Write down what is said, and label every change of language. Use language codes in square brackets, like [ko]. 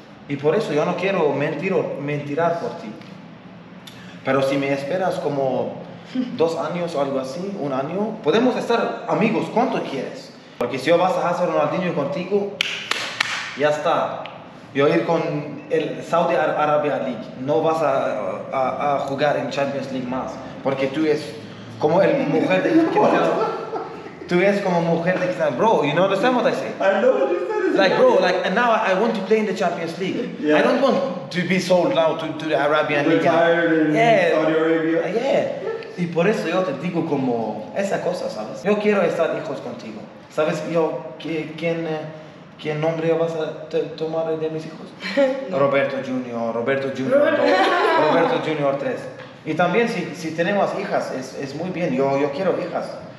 [es] Y por eso yo no quiero mentirar por ti. Pero si me esperas como 2 años o algo así, 1 año, podemos estar amigos, ¿cuánto quieres? Porque si yo vas a hacer un Ronaldinho contigo, ya está. Yo ir con el Saudi Arabia League, no vas a jugar en Champions League más, porque tú es como el mujer de Cristiano. Tú es como mujer de Cristiano. [en] Bro, you know what I say? I know what you said. Like, bro, like, and now I want to play in the Champions League. Yeah. I don't want to be sold now to the Arabian retired League. Retired in Saudi Arabia. Yeah. [es] Y por eso yo te digo como esa cosa, ¿sabes? Yo quiero estar hijos contigo. ¿Sabes yo qué nombre vas a tomar de mis hijos? Roberto Junior, Roberto Junior 2, Roberto Junior 3. Y también si tenemos hijas, es muy bien. Yo quiero hijas.